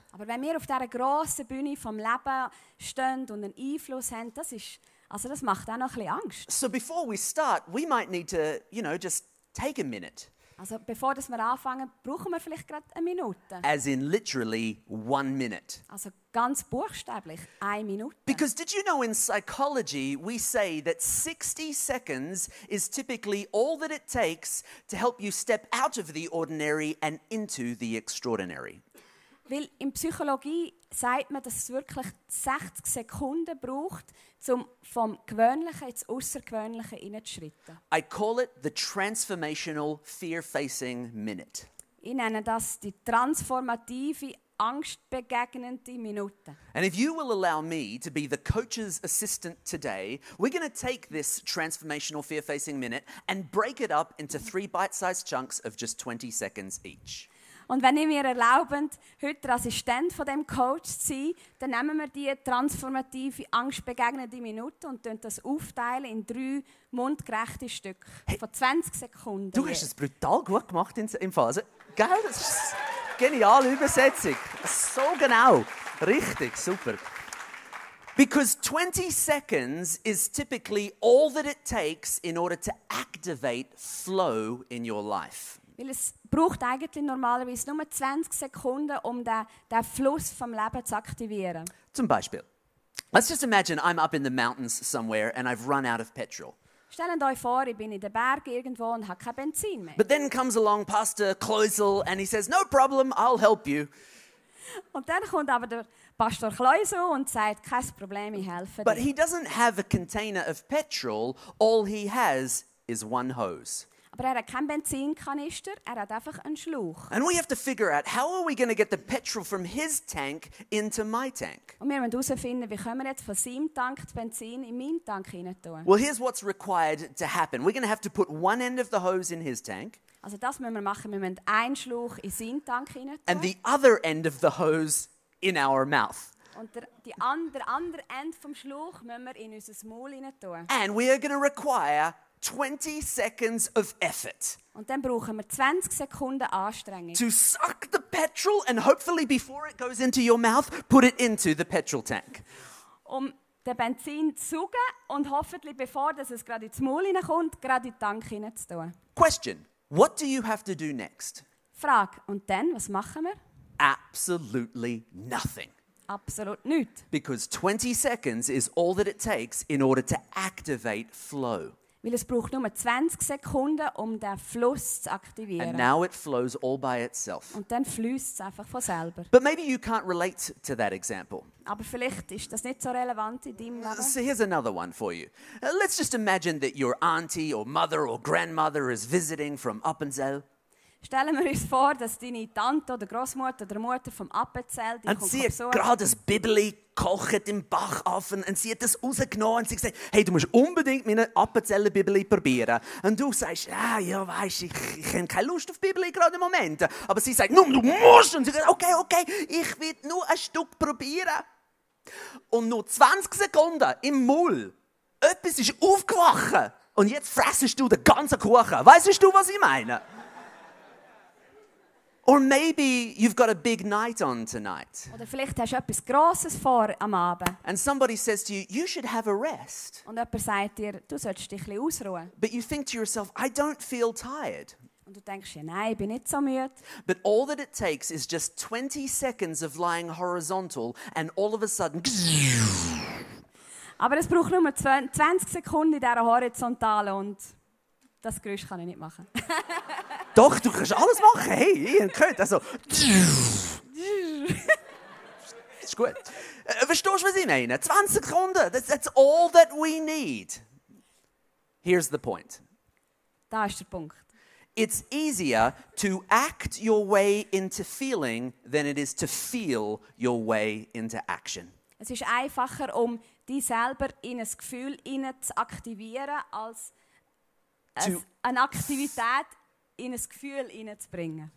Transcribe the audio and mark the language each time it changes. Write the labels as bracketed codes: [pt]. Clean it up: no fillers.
[de] Aber wenn wir auf dieser grossen Bühne vom Leben stehen und einen Einfluss haben, das ist, also das macht auch noch ein bisschen Angst. [en] So before we start, we might need to, you know, just take a minute. [de] Also bevor wir anfangen, brauchen wir vielleicht gerade eine Minute. [en] As in literally 1 minute. [de] Also ganz buchstäblich 1 minute. [en] Because did you know in psychology we say that 60 seconds is typically all that it takes to help you step out of the ordinary and into the extraordinary. [de] Weil in Psychologie sagt man, dass es wirklich 60 Sekunden braucht, um vom Gewöhnlichen ins Außergewöhnliche hineinzuschreiten. [en] I call it the transformational fear-facing minute. [de] Ich nenne das die transformative, angstbegegnende Minute. [en] And if you will allow me to be the coach's assistant today, we're going to take this transformational fear-facing minute and break it up into 3 bite-sized chunks of just 20 seconds each. [de] Und wenn ihr mir erlaubt, heute der Assistent von dem Coach zu sein, dann nehmen wir die transformative, angstbegegnende Minute und teilen das aufteilen in 3 mundgerechte Stücke von 20 Sekunden. Du hast es brutal gut gemacht im Fall. Also, gell? Das ist eine geniale Übersetzung. So genau. Richtig, super. [en] Because 20 seconds is typically all that it takes in order to activate flow in your life. [de] Weil es braucht eigentlich normalerweise nur 20 Sekunden, um den Fluss vom Leben zu aktivieren. Zum Beispiel. [en] Let's just imagine I'm up in the mountains somewhere and I've run out of petrol. [de] Stellen euch vor, ich bin in den Bergen irgendwo und habe kein Benzin mehr. [en] But then comes along Pastor Kloisel and he says, no problem, I'll help you. [de] Und dann kommt aber der Pastor Kloisel und sagt, kein Problem, ich helfe dir. [en] But he doesn't have a container of petrol, all he has is one hose. [de] Aber er hat keinen Benzinkanister, er hat einfach einen Schlauch. [en] And we have to figure out, how are we going to get the petrol from his tank into my tank? [de] Und wir müssen herausfinden, wie können wir jetzt von seinem Tank das Benzin in meinen Tank hineintun? [en] Well, here's what's required to happen. We're going to have to put one end of the hose in his tank. [de] Also das müssen wir machen, wir müssen einen Schlauch in seinen Tank hineintun. [en] And the other end of the hose in our mouth. [de] Und der andere End vom Schlauch müssen wir in unser Maul hineintun. [en] And we are going to require 20 seconds of effort. [de] Und dann brauchen wir 20 Sekunden Anstrengung. [en] To suck the petrol and hopefully before it goes into your mouth, put it into the petrol tank. [de] Um den Benzin zu saugen und hoffentlich bevor dass es gerade ins Maul hineinkommt, gerade in den Tank hineinzutun. [en] Question: What do you have to do next? [de] Frage: Und dann, was machen wir? [en] Absolutely nothing. [de] Absolut nüt. [en] Because 20 seconds is all that it takes in order to activate flow. [de] Weil es braucht nur 20 Sekunden, um den Fluss zu aktivieren. [en] And now it flows all by itself. [de] Und dann fließt es einfach von selber. [en] But maybe you can't relate to that example. [de] Aber vielleicht ist das nicht so relevant in deinem Leben. [en] So here's another one for you. Let's just imagine that your auntie or mother or grandmother is visiting from Appenzell. [de] Stellen wir uns vor, dass deine Tante oder Großmutter oder Mutter vom Appenzell die und sie hat gerade das Bibeli kocht im Bach auf und sie hat das rausgenommen und sie gesagt, hey, du musst unbedingt meine Appenzeller Bibeli probieren. Und du sagst, ja, weisst, ich habe keine Lust auf Bibeli gerade im Moment. Aber sie sagt, nun, du musst. Und sie sagt, okay, ich werde nur ein Stück probieren. Und nur 20 Sekunden im Maul, etwas ist aufgewacht und jetzt fressest du den ganzen Kuchen. Weißt du, was ich meine? [en] Or maybe you've got a big night on tonight. [de] Oder vielleicht hast du etwas Grosses vor am Abend. [en] And somebody says to you, you should have a rest. [de] Und jemand sagt dir, du solltest dich ein bisschen ausruhen. [en] But you think to yourself, I don't feel tired. [de] Und du denkst, ja, nein, ich bin nicht so müde. [en] But all that it takes is just 20 seconds of lying horizontal and all of a sudden... [de] Aber es braucht nur 20 Sekunden in dieser Horizontale und... Das Geräusch kann ich nicht machen. Doch, du kannst alles machen. Hey, ich habe gehört. Also. Ist gut. Verstehst du, was ich meine? 20 Sekunden. [en] That's all that we need. Here's the point. [de] Da ist der Punkt. [en] It's easier to act your way into feeling than it is to feel your way into action. [de] Es ist einfacher, um dich selber in ein Gefühl zu aktivieren, als eine Aktivität in ein Gefühl hineinzubringen.